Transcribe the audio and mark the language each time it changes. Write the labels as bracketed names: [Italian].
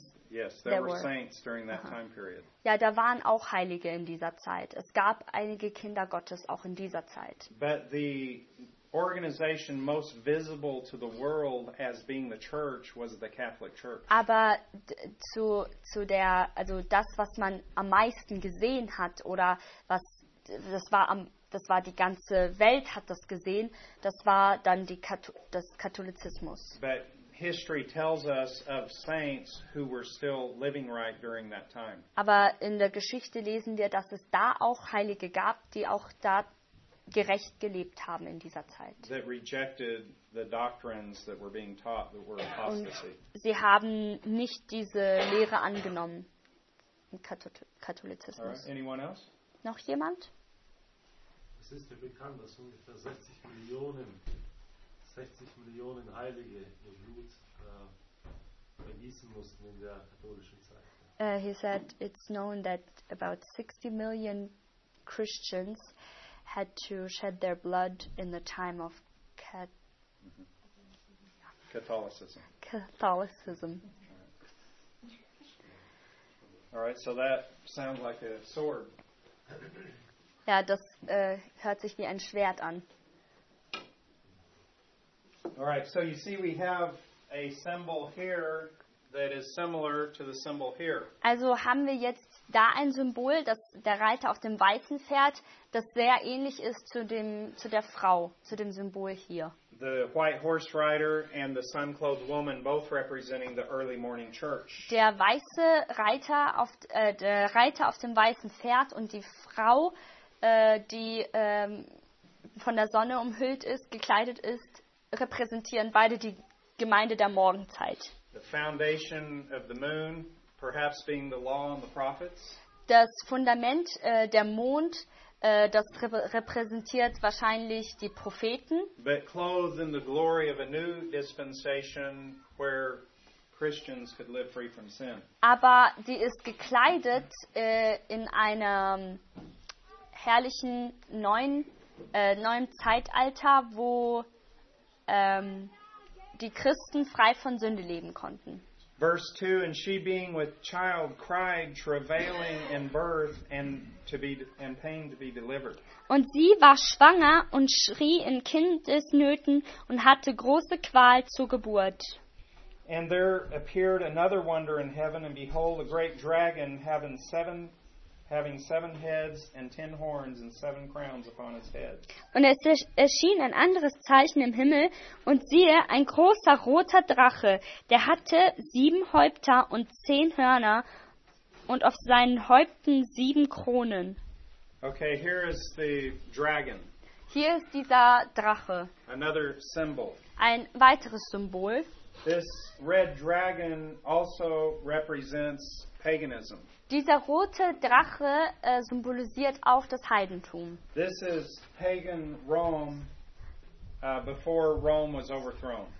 [English] Yes, there were saints during that time period. [German] Ja, da waren auch Heilige in dieser Zeit. Es gab einige Kinder Gottes auch in dieser Zeit. [English] But the organization most visible to the world as being the church was the Catholic Church. [German] Aber das, was man am meisten gesehen hat, oder was das war die ganze Welt hat das gesehen, das war dann das Katholizismus. [English] But history tells us of saints who were still living right during that time. [German] Aber in der Geschichte lesen wir, dass es da auch Heilige gab, die auch da gerecht gelebt haben in dieser Zeit. [English] That rejected the doctrines that were being taught that were apostasy. [German] Und sie haben nicht diese Lehre angenommen im Katholizismus. [English] Right. Anyone else? [German] Noch jemand? Es ist ja bekannt, dass ungefähr 60 Millionen 60 Millionen Heilige ihr Blut vergießen mussten in der katholischen Zeit. [English] He said it's known that about 60 million Christians had to shed their blood in the time of Catholicism. Catholicism. Alright, so that sounds like a sword. [German] Ja, das hört sich wie ein Schwert an. [English] Alright, so you see we have a symbol here that is similar to the symbol here. [German] Also haben wir jetzt da ein Symbol, dass der Reiter auf dem weißen Pferd, das sehr ähnlich ist zu der Frau, zu dem Symbol hier. [English] The white horse rider and the sun-clothed woman both representing the early morning church. [German] Der weiße Reiter auf dem weißen Pferd und die Frau, die von der Sonne umhüllt ist, gekleidet ist, repräsentieren beide die Gemeinde der Morgenzeit. [English] The foundation of the moon, perhaps being the law and the prophets. [German] Das Fundament der Mond, das repräsentiert wahrscheinlich die Propheten. [English] But clothed in the glory of a new dispensation where Christians could live free from sin. [German] Aber die ist gekleidet in einem herrlichen neuen Zeitalter, wo die Christen frei von Sünde leben konnten. [English] Verse 2, and she being with child cried, travailing in birth and pain to be delivered. [German] Und sie war schwanger und schrie in Kindesnöten und hatte große Qual zur Geburt. [English] And there appeared another wonder in heaven, and behold, a great dragon having seven heads and 10 horns and 7 crowns upon his head. [German] Und es erschien ein anderes Zeichen im Himmel, und siehe, ein großer roter Drache, der hatte 7 Häupter und 10 Hörner, und auf seinen Häupten 7 Kronen. [English] Okay, here is the dragon. [German] Hier ist dieser Drache. [English] Another symbol. [German] Ein weiteres Symbol. [English] This red dragon also represents paganism. [German] Dieser rote Drache symbolisiert auch das Heidentum. [English] This is pagan Rome, before Rome was overthrown.